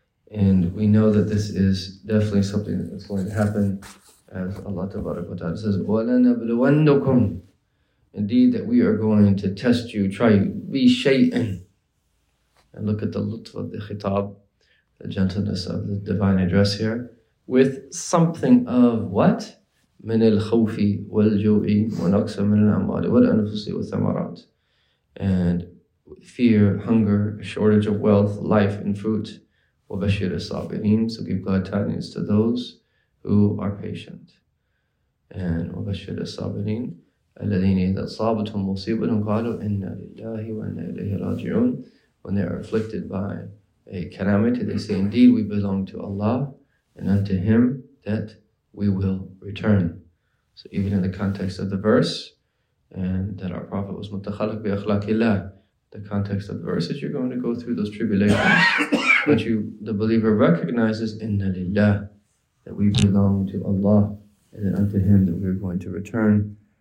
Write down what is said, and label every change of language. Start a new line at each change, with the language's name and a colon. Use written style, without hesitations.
English: And we know that this is definitely something that's going to happen, as Allah tabarak wa ta'ala says,
Arabic: وَلَنَبْلُوَنَّكُمْ.
English: Indeed, that we are going to test you, try you, be shay'in. And look at the lutf of the khitab, the gentleness of the divine address here, with something of what?
Arabic: من الخوف والجوع ونقص من الأموال والأنفس والثمرات.
English: And fear, hunger, shortage of wealth, life and fruit.
Arabic: وبشر الصابرين.
English: So give glad tidings to those who are patient.
Arabic: And وبشر الصابرين. الذين إذا صابتهم مصيبة قالوا إنا لله وإنا إليه راجعون.
English: When they are afflicted by a calamity, they say, indeed we belong to Allah and unto Him that we will return. So even in the context of the verse, and that our Prophet was
Arabic: متخلق بأخلاق الله,
English: the context of the verse is you're going to go through those tribulations, but you, the believer, recognizes
Arabic: إنا لله,
English: that we belong to Allah and then unto Him that we are going to return.